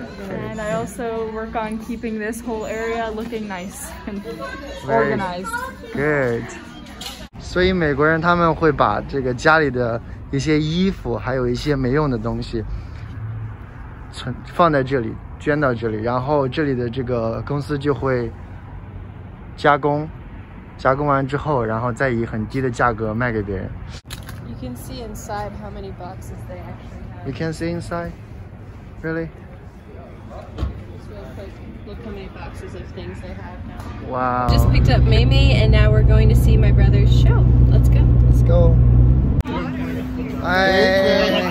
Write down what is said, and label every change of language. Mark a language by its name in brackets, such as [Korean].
[English] And I also work on keeping this whole area looking nice and organized. Good. [Chinese] 所以美国人他们会把这个家里的一些衣服还有一些没用的东西放在这里，捐到这里，然后这里的这个公司就会加工。加工完之后，然后再以很低的价格卖给别人。 [English] You can see inside how many boxes they actually have. You can see inside? Really? Look how many boxes of things they have now. Wow. Just picked up Mei Mei and now we're going to see my brother's show. Let's go. Let's go. Hi.